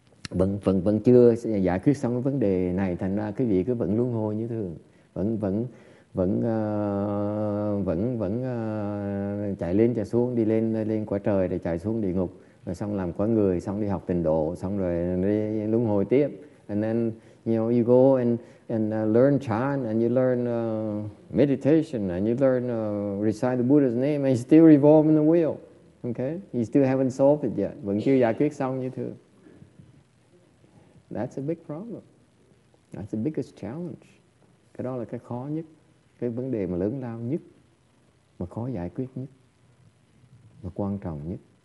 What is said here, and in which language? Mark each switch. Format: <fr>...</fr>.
<vi>Vẫn chưa giải quyết xong cái vấn đề này, thành ra quý vị cứ vẫn luân hồi như thường, vẫn chạy lên chạy xuống, đi lên lên quả trời rồi chạy xuống địa ngục, rồi xong làm quả người, xong đi học tịnh độ, xong rồi đi luân hồi tiếp.</vi> <en>And then you know, you go and learn chant, and you learn meditation, and you learn recite the Buddha's name, and you still revolve in the wheel. Okay, you still haven't solved it yet.</en> <vi>Vẫn chưa giải quyết xong như thường.</vi> <en>That's a big problem. That's the biggest challenge.</en> <vi>Cái đó là cái khó nhất, cái vấn đề mà lớn lao nhất, mà khó giải quyết nhất, mà quan trọng nhất.</vi>